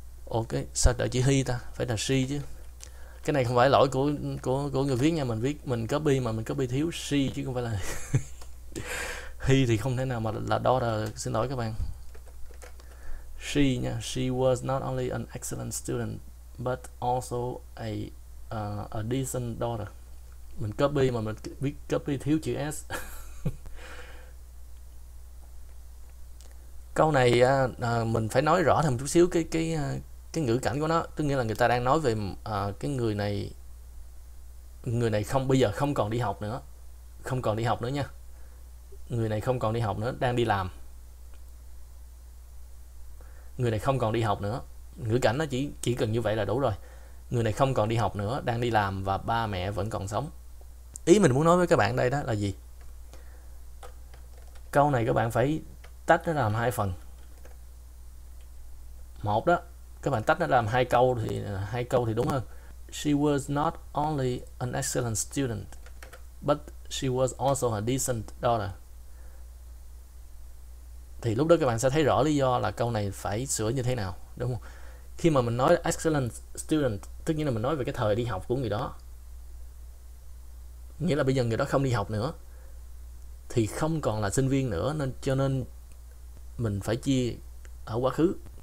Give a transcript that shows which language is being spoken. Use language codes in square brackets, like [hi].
[vi] Ok, sao đợi chữ hy ta? Phải là she chứ. Cái này không phải lỗi của người viết nha, mình viết mình copy mà mình copy thiếu she chứ không phải là he thì không thể nào mà là daughter, xin lỗi các bạn. [en] She nha, she was not only an excellent student but also a decent daughter. [vi] Mình copy mà mình viết copy thiếu chữ s. Câu này mình phải nói rõ thêm chút xíu cái ngữ cảnh của nó, tức nghĩa là người ta đang nói về cái người này không, bây giờ không còn đi học nữa, không còn đi học nữa nha, người này không còn đi học nữa, đang đi làm, người này không còn đi học nữa, ngữ cảnh nó chỉ cần như vậy là đủ rồi. Người này không còn đi học nữa, đang đi làm và ba mẹ vẫn còn sống. Ý mình muốn nói với các bạn đây đó là gì? Câu này các bạn phải tách nó làm hai phần. Một đó, các bạn tách nó làm hai câu thì đúng hơn. [en] She was not only an excellent student, but she was also a decent daughter. [vi] Thì lúc đó các bạn sẽ thấy rõ lý do là câu này phải sửa như thế nào, đúng không? Khi mà mình nói [en] excellent student, [vi] tức nghĩa là mình nói về cái thời đi học của người đó, nghĩa là bây giờ người đó không đi học nữa, thì không còn là sinh viên nữa, nên cho nên mình phải chia ở quá khứ.